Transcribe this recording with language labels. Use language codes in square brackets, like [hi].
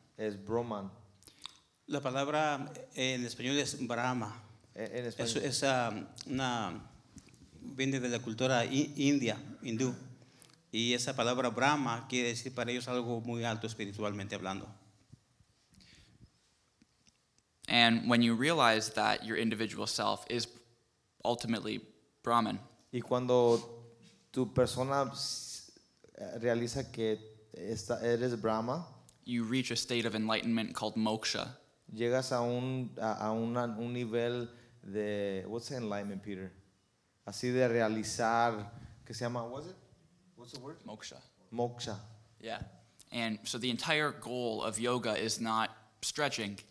[es] Es Brahman. La palabra en español es Brahma. En español. Es una viene de la cultura india, hindú, y esa palabra Brahma quiere decir para ellos algo muy alto espiritualmente hablando. [en] And when you realize that your individual self is ultimately Brahman. [es] Y cuando tu persona realiza que eres Brahma, [en] you reach a state of enlightenment called moksha. [es] Llegas a un nivel de, [en] what's the enlightenment, Peter? [es] Así de realizar, que se llama, [en] what's it? What's the word? [es] Moksha. Moksha. [en] Yeah. And so the entire goal of yoga is not stretching.